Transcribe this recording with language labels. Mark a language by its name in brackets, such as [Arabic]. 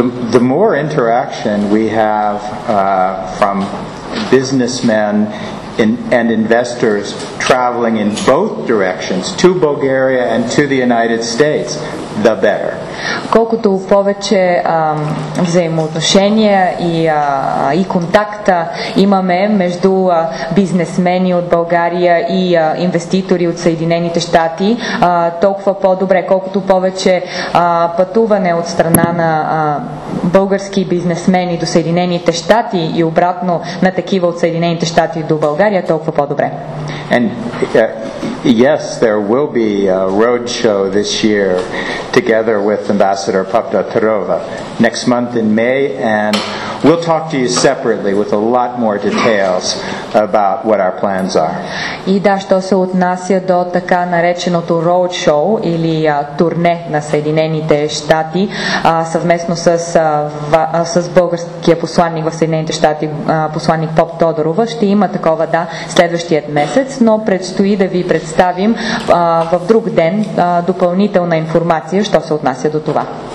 [English] The more interaction we have from businessmen and investors traveling in both directions, to Bulgaria and to the United States, the better. [Bulgarian] Колкото повече взаимоотношения и контакта имаме между бизнесмени от България и инвеститори от Съединените щати, толкова по-добре, колкото повече пътуване от страна на български бизнесмени до Съединените щати и обратно на такива от Съединените щати до България, толкова по-добре. [English] And yes, there will be a road show this year together with Ambassador Paptatarova next month in May, and we'll talk to you separately with a lot more details about what our plans are. [Bulgarian] И да, що се отнася до така нареченото road show или турне на Съединените щати, съвместно с българския посланник в Съединените щати, посланник Поп Тодорова, ще има такова, да, следващият месец, но предстои да ви представим в друг ден допълнителна информация, що се отнася до това.